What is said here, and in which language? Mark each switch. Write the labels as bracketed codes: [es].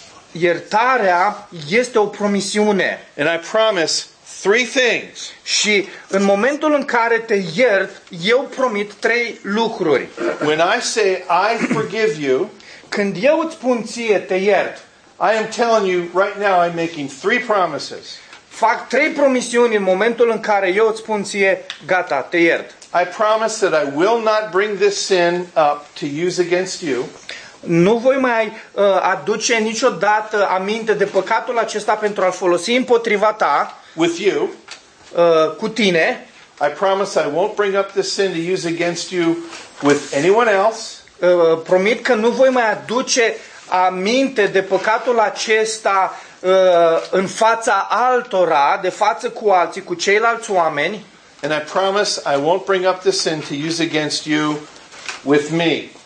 [ro] Iertarea este o promisiune. [en] And I promise three things. [ro] Și în momentul în care te iert, eu promit trei lucruri. [en] When I say I forgive you, [ro] când eu îți spun ție te iert, [en] I am telling you right now I'm making three promises. [ro] Fac trei promisiuni în momentul în care eu îți spun ție gata, te iert. [en] I promise that I will not bring this sin up to use against you. [ro] Nu voi mai aduce niciodată aminte de păcatul acesta pentru a-l folosi împotriva ta. [en] With you. [ro] Cu tine. [en] I promise I won't bring up this sin to use against you with anyone else. [ro] Promit că nu voi mai aduce aminte de păcatul acesta în fața altora, de față cu alții, cu ceilalți oameni. [en] And I promise I won't bring up this sin to use against you with me.